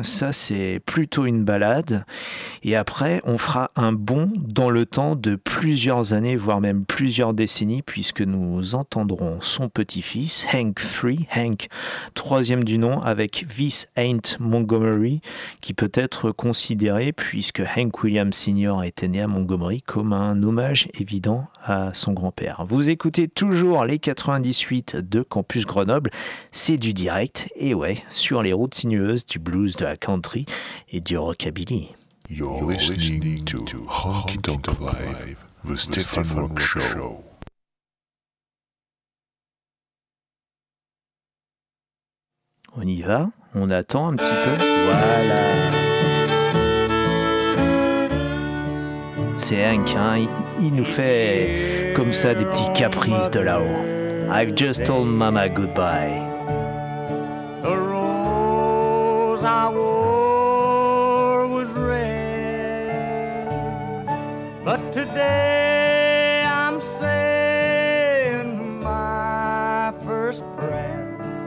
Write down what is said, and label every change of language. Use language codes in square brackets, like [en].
[fr] Ça, c'est plutôt une balade. Et après, on fera un bond dans le temps de plusieurs années, voire même plusieurs décennies, puisque nous entendrons son petit-fils, Hank III, Hank, troisième du nom, avec [en] This Ain't Montgomery, [fr] qui peut être considéré, puisque Hank Williams Sr. était né à Montgomery, comme un hommage évident à son grand-père. Vous écoutez toujours les 98 de Campus Grenoble. C'est du direct, et ouais, sur les routes sinueuses du blues, de la country et du rockabilly. [en] You're listening to Honky Tonk Live, the Stephen Rock Show. [fr] On y va, on attend un petit peu. Voilà. C'est Hank, hein, il nous fait comme ça des petits caprices de là-haut. [en] I've just told Mama goodbye. The rose I wore was red, but today I'm saying my first prayer.